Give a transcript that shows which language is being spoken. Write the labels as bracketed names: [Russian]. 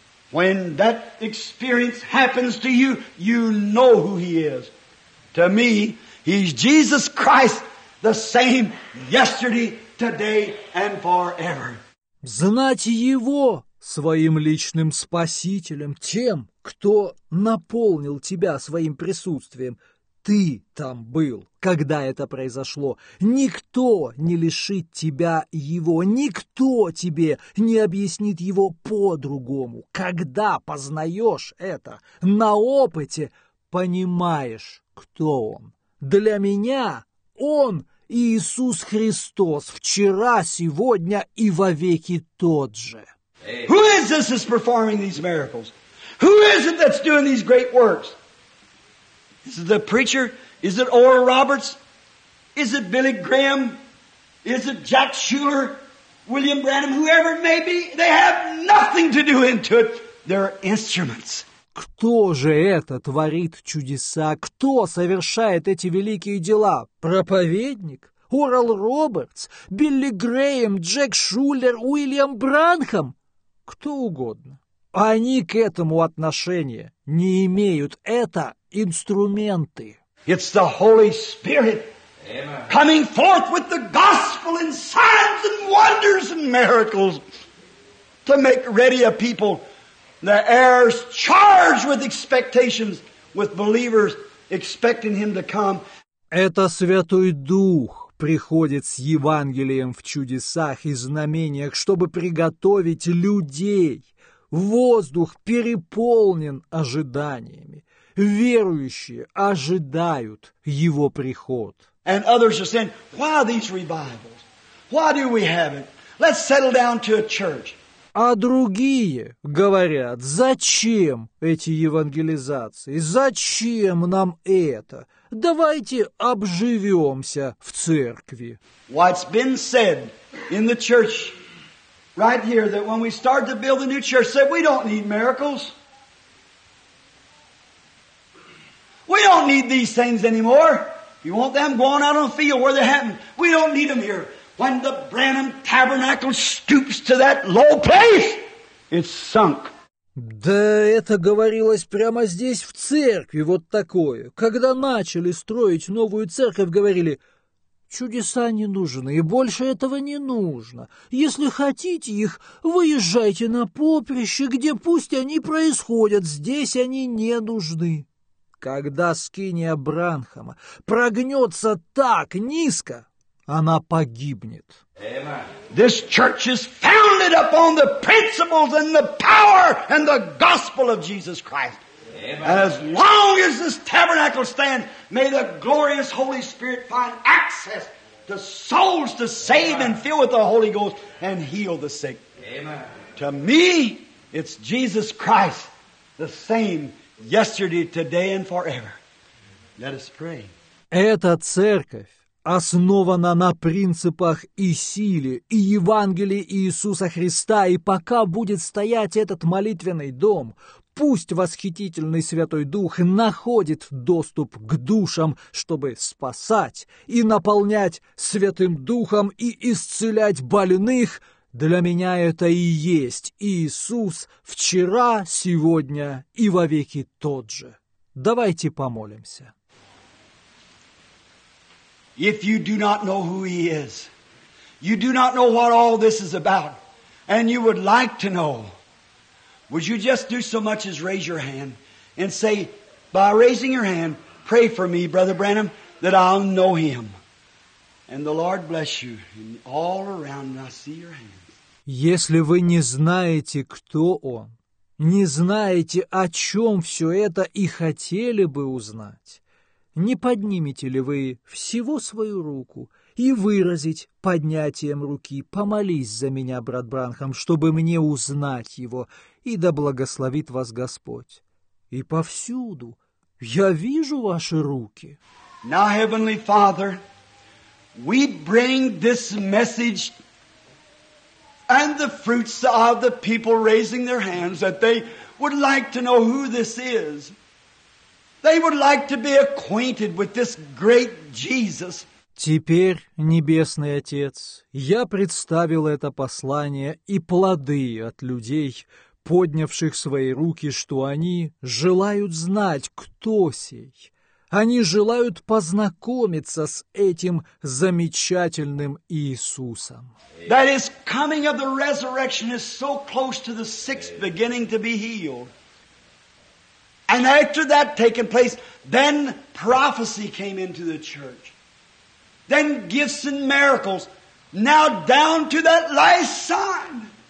[English] When that experience happens to you, you know who He is. To me, He's Jesus Christ, the same yesterday, today, and forever. [Russian] Знать Его своим личным спасителем, тем, кто наполнил тебя своим присутствием. Ты там был, когда это произошло. Никто не лишит тебя Его. Никто тебе не объяснит Его по-другому. Когда познаешь это, на опыте понимаешь, кто Он. Для меня Он Иисус Христос вчера, сегодня и вовеки тот же. [English] Who is this that's performing these miracles? Who is it that's doing these great works? Is it the preacher? Is it Oral Roberts? Is it Billy Graham? Is it Jack Schuller? William Branham? Whoever it may be, they have nothing to do into it. They're instruments. [Russian] Кто же это творит чудеса? Кто совершает эти великие дела? Проповедник? Орал Робертс? Билли Грэм? Джек Шуллер? Уильям Бранхам? Кто угодно. Они к этому отношения не имеют. Это инструменты. [English] It's the Holy Spirit. Amen. Coming forth with the gospel and signs and wonders and miracles to make ready a people, the heirs charged with expectations, with believers expecting Him to come. [Russian] Это Святой Дух приходит с Евангелием в чудесах и знамениях, чтобы приготовить людей. Воздух переполнен ожиданиями. Верующие ожидают Его приход. [English] And others are saying, why these revivals? Why do we have it? Let's settle down to a church. [Russian] А другие говорят, зачем эти евангелизации? Зачем нам это? Давайте обживемся в церкви. [English] What's been said in the church right here that when we start to build a new church, said we don't need miracles. We don't need these things anymore. You want them going out on the field where they're happening. We don't need them here. When the Branham Tabernacle stoops to that low place, it's sunk. [Russian] Да это говорилось прямо здесь, в церкви, вот такое. Когда начали строить новую церковь, говорили, чудеса не нужны, и больше этого не нужно. Если хотите их, выезжайте на поприще, где пусть они происходят, здесь они не нужны. Когда скиния Бранхама прогнется так низко, она погибнет. [English] This church is founded upon the principles and the power and the gospel of Jesus Christ. As long as this tabernacle stands, may the glorious Holy Spirit find access to souls to save and fill with the Holy Ghost and heal the sick. To me, it's Jesus Christ, the same yesterday, today, and forever. Let us pray. [Russian] Эта церковь основана на принципах и силе, и Евангелии Иисуса Христа, и пока будет стоять этот молитвенный дом, пусть восхитительный Святой Дух находит доступ к душам, чтобы спасать и наполнять Святым Духом и исцелять больных. Для меня это и есть Иисус вчера, сегодня и вовеки тот же. Давайте помолимся. [English] If you do not know who He is, you do not know what all this is about, and you would like to know, would you just do so much as raise your hand and say, by raising your hand, pray for me, Brother Branham, that I'll know Him. And the Lord bless you, and all around I see your hand. [Russian] Если вы не знаете, кто Он, не знаете, о чем все это и хотели бы узнать, не поднимете ли вы всего свою руку и выразить поднятием руки? Помолись за меня, брат Бранхам, чтобы мне узнать Его, и да благословит вас Господь. И повсюду Я вижу ваши руки. [English] Now, Heavenly Father, we bring this message and the fruits of the people raising their hands that they would like to know who this is. They would like to be acquainted with this great Jesus. [Russian] Теперь, Небесный Отец, я представил это послание и плоды от людей, поднявших свои руки, что они желают знать, кто сей. Они желают познакомиться с этим замечательным Иисусом. [English] That is coming of the resurrection is so close to the sixth beginning to be healed. And after that taking place, then prophecy came into the church. Then gifts and miracles. Now down to that last son.